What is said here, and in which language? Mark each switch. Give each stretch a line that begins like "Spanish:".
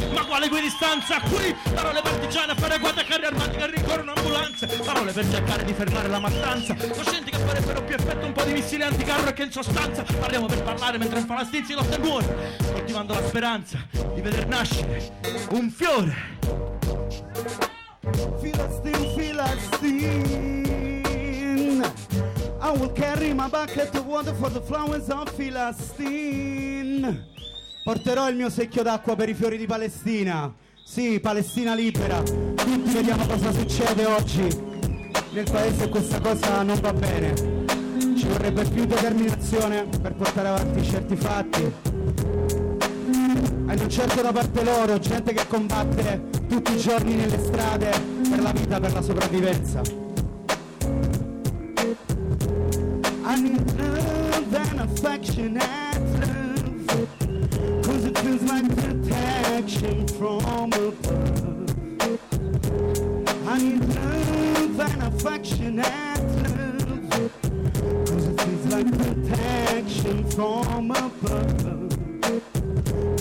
Italian: Ma quale equidistanza qui? Parole partigiane a fare guate a carri armati che rincorrono ambulanze. Parole per cercare di fermare la mattanza. Coscienti che farebbero più effetto un po' di missili anticarro. E che in sostanza parliamo per parlare mentre in Palestina si lotta e muore, coltivando la speranza di veder nascere un fiore.
English: Filastin, Filastin, I will carry my bucket of water for the flowers of Palestine.
Italian: Porterò il mio secchio d'acqua per i fiori di Palestina. Sì, Palestina libera. Tutti vediamo cosa succede oggi nel paese, questa cosa non va bene. Ci vorrebbe più determinazione per portare avanti certi fatti. E non certo da parte loro, gente che combatte tutti i giorni nelle strade per la vita, per la sopravvivenza.
English: I need love and affectionate love, 'cause it feels like protection from above. I need love and affectionate love, 'cause it feels like protection from above.